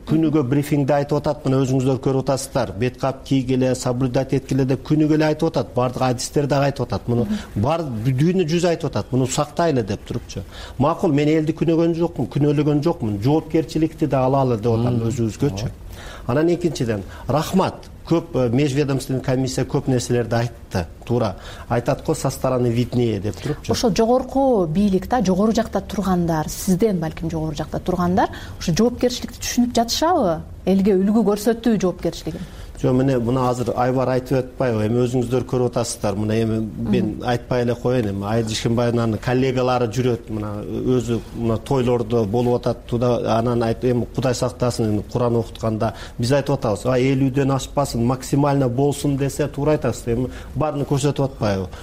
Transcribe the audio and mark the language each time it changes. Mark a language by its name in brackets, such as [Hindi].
[Kyrgyz] Күнүгө брифингде айтып атат, мына өзүңүздөр көрүп атасыздар, бет кап кийгиле, соблюдать эткиле деп күнүгө эле айтып атат, бардык адистер дагы айтып атат. Муну бар дүйнө жүз айтып атат. Муну сактайлы деп турупчу. Макул, мен элди күнөгөн жокмун, күнөлөгөн жокмун. Жоопкерчиликти да алалы деп атам өзүбүзгөчү. Анан экинчиден, рахмат, көп межведомственный комиссия көп нерселерди айтты. Туура айтат го, [Russian] со стороны виднее [Kyrgyz] деп турупчу. Ошол жогорку бийлик да, жогору жакта тургандар, сизден балким жогору жакта тургандар ошо жоопкерчиликти түшүнүп жатышабы? Элге үлгү көрсөтүү жоопкерчилиги. Жок, мен муну азыр Айбар айтып атпайбы, эми өзүңүздөр көрүп атасыздар. Муну эми мен айтпай эле коеюн, эми Айдыш Ишенбаевнанын коллегалары жүрөт, мына өзү мына тойлордо болуп атат туда, анан айт эми Кудай сактасын, эми Куран окутканда биз айтып атабыз, 50-дөн ашпасын, максимально болсун десе туура айтасыз, эми баарын көрсөтүп атпайбы?